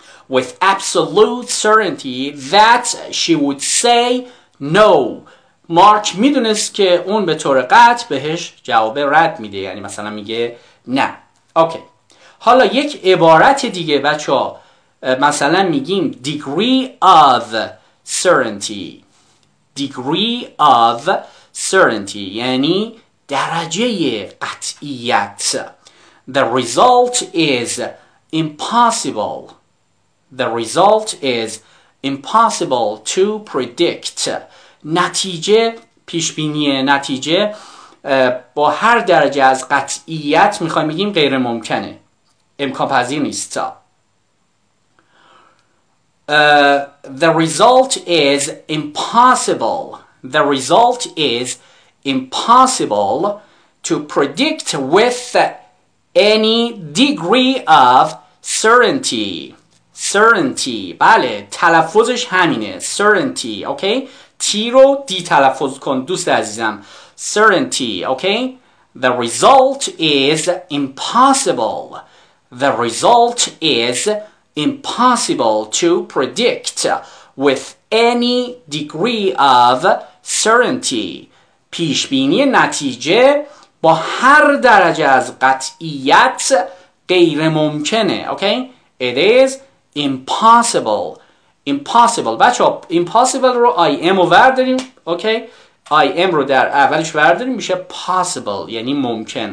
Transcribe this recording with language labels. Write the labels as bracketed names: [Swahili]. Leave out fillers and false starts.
[English] With absolute certainty that she would say no. [Persian] مارک میدونست که اون به طور قطع بهش جواب رد میده. یعنی مثلا میگه نه. اوکی. حالا یک عبارت دیگه بچه ها. مثلا میگیم [English] degree of certainty. Degree of certainty. [Persian] یعنی درجه قطعیت. [English] The result is impossible. The result is impossible to predict. [Persian] نتیجه پیشبینی نتیجه با هر درجه از قطعیت میخوایم بگیم غیر ممکنه. امکان پذیر نیست. [English] The result is impossible. The result is impossible to predict with any degree of certainty. [Persian] Certainty. بله تلفظش همینه. Certainty. اوکی؟ تی رو دی تلفظ کن دوست عزیزم. [English] Certainty. Okay? The result is impossible. The result is impossible to predict with any degree of certainty. [Persian] پیشبینی نتیجه با هر درجه از قطعیت غیر ممکنه. [English] Okay? It is impossible. Impossible. [Persian] بچه ها impossible رو I am رو برداریم. [English] Okay. [Persian] I am رو در اولش برداریم میشه possible یعنی ممکن.